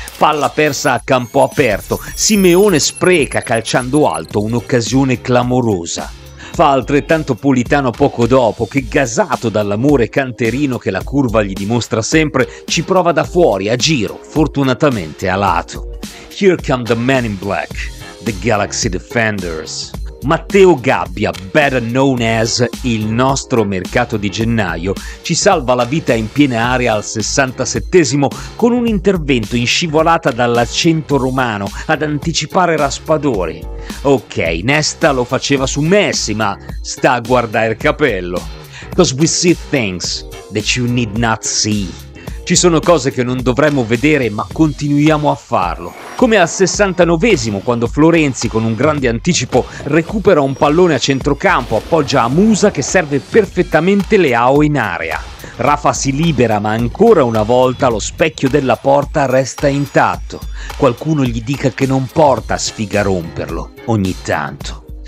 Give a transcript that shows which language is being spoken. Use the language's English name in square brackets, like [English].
[Italian] Palla persa a campo aperto, Simeone spreca calciando alto un'occasione clamorosa. Fa altrettanto Politano poco dopo che, gasato dall'amore canterino che la curva gli dimostra sempre, ci prova da fuori a giro, fortunatamente a lato. [English] Here come the men in black, the Galaxy Defenders. [Italian] Matteo Gabbia, [English] better known as [Italian] il nostro mercato di gennaio, ci salva la vita in piena area al 67esimo con un intervento in scivolata dall'accento romano ad anticipare Raspadori. Ok, Nesta lo faceva su Messi, ma sta a guardare il capello. [English] Cause we see things that you need not see. [Italian] Ci sono cose che non dovremmo vedere, ma continuiamo a farlo. Come al 69esimo, quando Florenzi, con un grande anticipo, recupera un pallone a centrocampo, appoggia a Musa che serve perfettamente Leao in area. Rafa si libera, ma ancora una volta lo specchio della porta resta intatto. Qualcuno gli dica che non porta sfiga romperlo, ogni tanto.